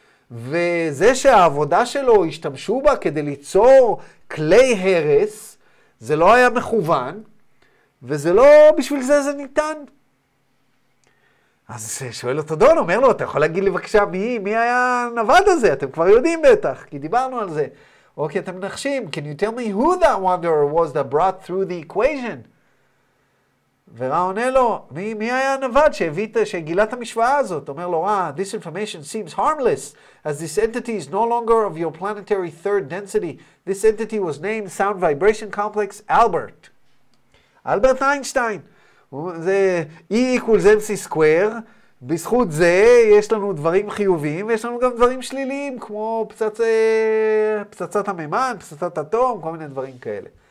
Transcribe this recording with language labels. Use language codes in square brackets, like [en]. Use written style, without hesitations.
[he] וזה שהעבודה שלו השתמשו בה כדי ליצור כלי הרס, זה לא היה מכוון, וזה לא בשביל זה זה ניתן. אז שואל אותו דון, אומר לו, אתה יכול להגיד לי בבקשה מי היה הנבד הזה? אתם כבר יודעים בטח, כי דיברנו על זה. אוקיי, אתם מנחשים. [en] Can you tell me who that wanderer was that brought through the equation? [he] ורא עונה לו, מי היה הנבד שגילה את המשוואה הזאת? אומר לו, [en] this information seems harmless, as this entity is no longer of your planetary third density. This entity was named Sound Vibration Complex Albert. [he] אלברט איינשטיין. זה E equals MC square. בזכות זה יש לנו דברים חיוביים, ויש לנו גם דברים שליליים, כמו פצצת המימן, פצצת אטום, כל מיני דברים כאלה.